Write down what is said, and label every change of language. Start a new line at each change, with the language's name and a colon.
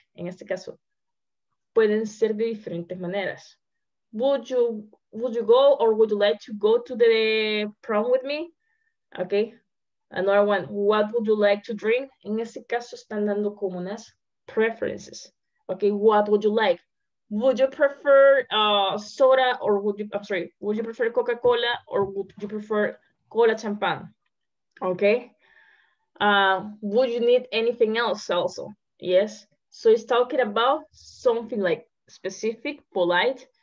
Spanish: En este caso, pueden ser de diferentes maneras.
English: Would you go or would you like to go to the prom with me? Okay. Another one. What would you like to drink?
Spanish: En este caso, están dando como unas preferences.
English: Okay. What would you like? Would you prefer soda or would you, I'm sorry, would you prefer Coca-Cola or would you prefer cola champagne? Okay. Would you need anything else also? Yes. So it's talking about something like specific, polite.